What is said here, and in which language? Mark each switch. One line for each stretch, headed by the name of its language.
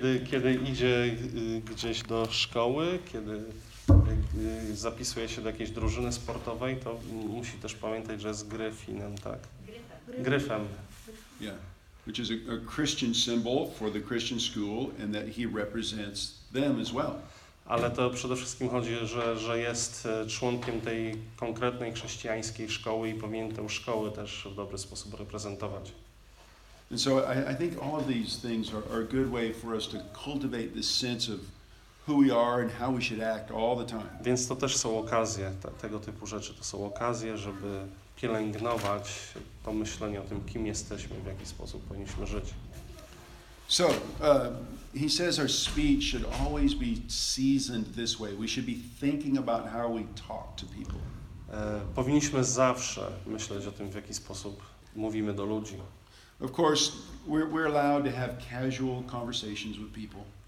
Polish: Kiedy idzie gdzieś do szkoły, kiedy zapisuje się do jakiejś drużyny sportowej, to musi też pamiętać, że jest gryfinem, tak? Gryfem.
English: Yeah, which is a Christian symbol for the Christian school and that he represents them as well.
Polish: Ale to przede wszystkim chodzi, że jest członkiem tej konkretnej chrześcijańskiej szkoły i powinien tę szkołę też w dobry sposób reprezentować.
English: And so I think all of these things are a good way for us to cultivate this sense of who we are and how we should act all the time.
Polish: Więc to też są okazje, tego typu rzeczy to są okazje, żeby pielęgnować to myślenie o tym, kim jesteśmy, w jaki sposób powinniśmy żyć.
English: So, he says our speech should always be seasoned this way. We should be thinking about how we talk to people.
Polish: Powinniśmy zawsze myśleć o tym, w jaki sposób mówimy do ludzi.
English: Of course, we're allowed to have casual conversations with people.